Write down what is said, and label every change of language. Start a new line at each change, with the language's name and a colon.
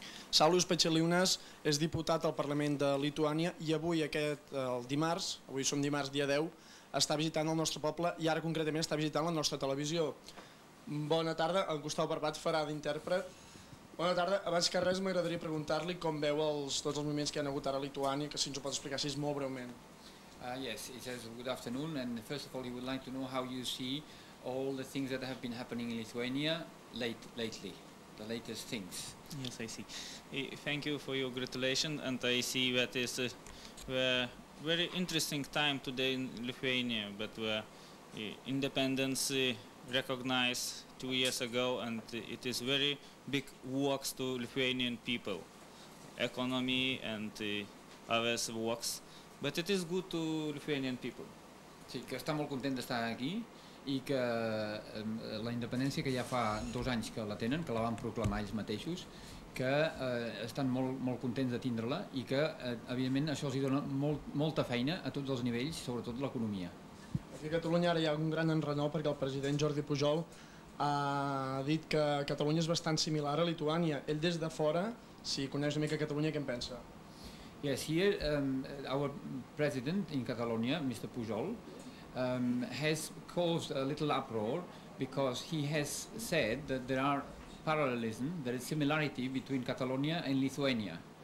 Catalan: Saulius Pethiliunas és diputat al Parlament de Lituània i avui avui som dimarts dia 10, està visitant el nostre poble i ara concretament està visitant la nostra televisió. Bona tarda, el Gustau Barbat farà d'intèrpret. Bona tarda, abans que res m'agradaria preguntar-li com veu tots els moviments que hi ha hagut ara a Lituània, que si ens ho pot explicar, si és molt breument.
English: Yes, it says good afternoon, and first of all you would like to know how you see all the things that have been happening in Lithuania lately, the latest things. Yes, I see. Thank you for your gratulation, and I see that is very interesting time today in Lithuania, but where independence recognized 2 years ago, and it is very big works to Lithuanian people, economy and others works, but it is good to Lithuanian people.
Catalan: Sí, que està molt content d'estar aquí i que la independència, que ja fa 2 anys que la tenen, que la van proclamar ells mateixos, que estan molt contents de tindre-la i que, evidentment, això els dona molta feina a tots els nivells, sobretot l'economia. Aquí a Catalunya ara hi ha un gran enrenou perquè el president Jordi Pujol ha dit que Catalunya és bastant similar a Lituània. Ell des de fora, si coneix una mica Catalunya, què en pensa?
English: Yes, here our president in Catalonia, Mr. Pujol, has caused a little uproar because he has said that there are parallelism, there is similarity between Catalonia and Lithuania.